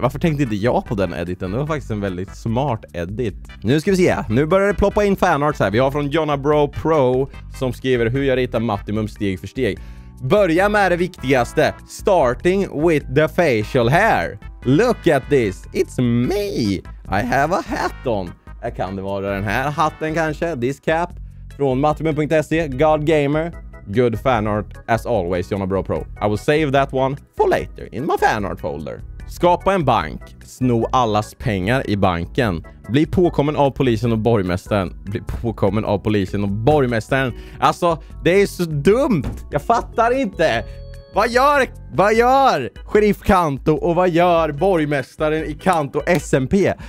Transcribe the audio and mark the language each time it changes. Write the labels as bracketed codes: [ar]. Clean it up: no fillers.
[sv] Varför tänkte inte jag på den editen? Det var faktiskt en väldigt smart edit. Nu ska vi se. Nu börjar det ploppa in fanarts här. Vi har från Jonna Bro Pro som skriver hur jag ritar Mattimus steg för steg. Börja med det viktigaste. [en] Starting with the facial hair. Look at this. It's me. I have a hat on. [sv] Kan det vara den här hatten kanske? [en] This cap [sv] från Mattimus.se. God Gamer. [en] Good fanart as always, Jonna Bro Pro. I will save that one for later in my fanart folder. [sv] Skapa en bank. Sno allas pengar i banken. Bli påkommen av polisen och borgmästaren. Bli påkommen av polisen och borgmästaren. Alltså, det är så dumt. Jag fattar inte. Vad gör sheriff Kanto och vad gör borgmästaren i Kanto SMP?